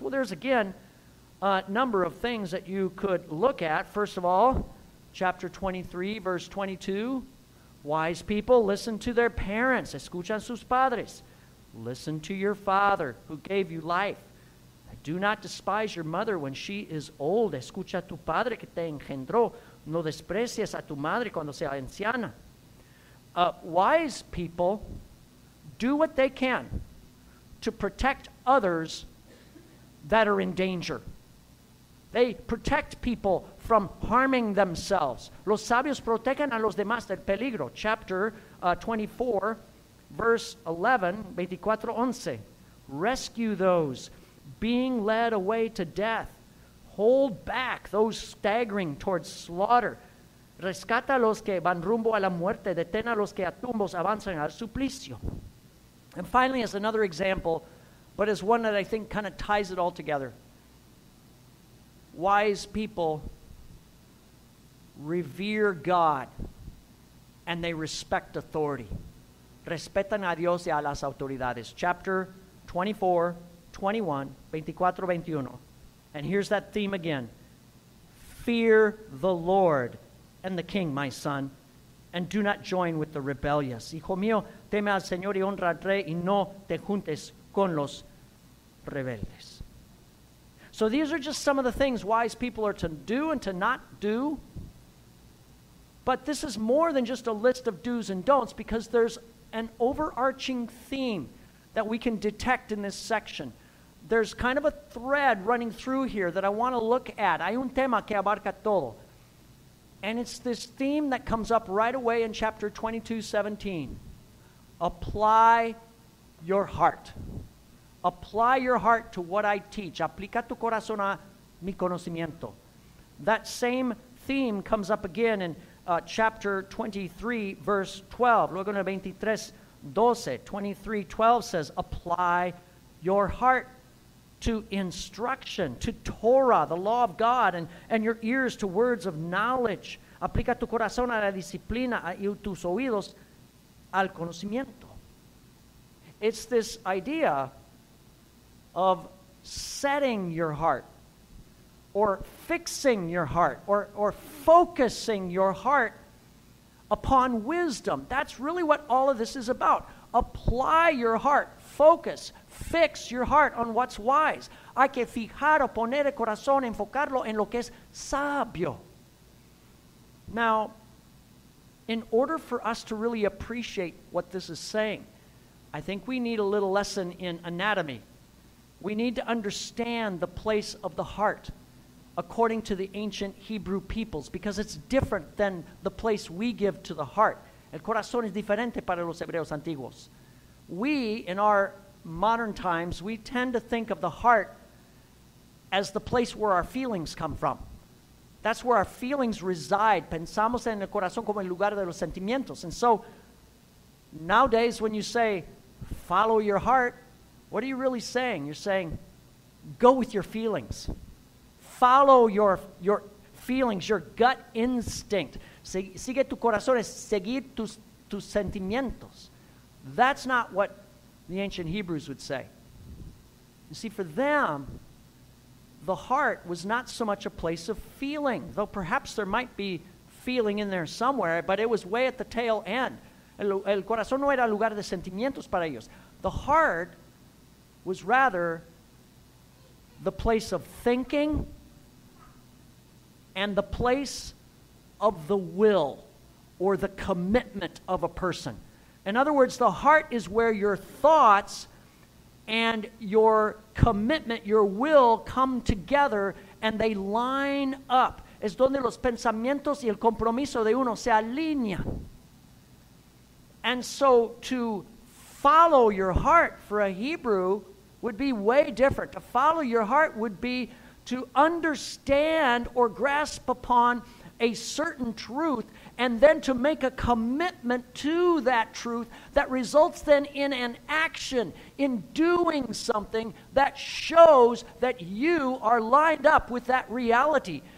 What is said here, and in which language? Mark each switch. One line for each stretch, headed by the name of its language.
English: Well, there's again a number of things that you could look at. First of all, chapter 23, verse 22. Wise people listen to their parents.
Spanish: Escuchan sus padres.
English: Listen to your father who gave you life. Do not despise your mother when she is old.
Spanish: Escucha a tu padre que te engendró. No desprecies a tu madre cuando sea anciana.
English: Wise people do what they can to protect others that are in danger. They protect people from harming themselves.
Spanish: Los sabios protegen a los demás del peligro.
English: Chapter 24, verse 11, 24:11. Rescue those being led away to death. Hold back those staggering towards slaughter.
Spanish: Rescata a los que van rumbo a la muerte. Detén a los que a tumbos avanzan al suplicio.
English: And finally, as another example, but as one that I think kind of ties it all together, wise people revere God and they respect authority.
Spanish: Respetan a Dios y a las autoridades.
English: Chapter 24, 21, 24, 21. And here's that theme again. Fear the Lord and the King, my son, and do not join with the rebellious.
Spanish: Hijo mío, teme al Señor y honra al rey, y no te juntes con los rebeldes.
English: So these are just some of the things wise people are to do and to not do. But this is more than just a list of do's and don'ts, because there's an overarching theme that we can detect in this section. There's kind of a thread running through here that I want to look at.
Spanish: Hay un tema que abarca todo.
English: And it's this theme that comes up right away in chapter 22:17. Apply your heart. Apply your heart to what I teach.
Spanish: Aplica tu corazón a mi conocimiento.
English: That same theme comes up again in chapter 23, verse 12.
Spanish: Luego en el 23:12,
English: 23:12 says, apply your heart to instruction, to Torah, the law of God, and your ears to words of knowledge.
Spanish: Aplica tu corazón a la disciplina y tus oídos al conocimiento.
English: It's this idea of setting your heart, or fixing your heart, or focusing your heart upon wisdom. That's really what all of this is about. Apply your heart, focus, fix your heart on what's wise.
Spanish: Hay que fijar o poner el corazón, enfocarlo en lo que es sabio.
English: Now, in order for us to really appreciate what this is saying, I think we need a little lesson in anatomy. We need to understand the place of the heart according to the ancient Hebrew peoples, because it's different than the place we give to the heart.
Spanish: El corazón es diferente para los hebreos antiguos.
English: We, in our modern times, we tend to think of the heart as the place where our feelings come from. That's where our feelings reside.
Spanish: Pensamos en el corazón como el lugar de los sentimientos.
English: And so, nowadays, when you say, follow your heart, what are you really saying? You're saying, go with your feelings. Follow your feelings, your gut instinct.
Spanish: Sigue tu corazón, es seguir tus sentimientos.
English: That's not what the ancient Hebrews would say. You see, for them, the heart was not so much a place of feeling, though perhaps there might be feeling in there somewhere, but it was way at the tail end.
Spanish: El corazón no era lugar de sentimientos para ellos.
English: The heart was rather the place of thinking and the place of the will or the commitment of a person. In other words, the heart is where your thoughts and your commitment, your will come together and they line up.
Spanish: Es donde los pensamientos y el compromiso de uno se alinean.
English: And so to follow your heart for a Hebrew would be way different. To follow your heart would be to understand or grasp upon a certain truth and then to make a commitment to that truth that results then in an action, in doing something that shows that you are lined up with that reality.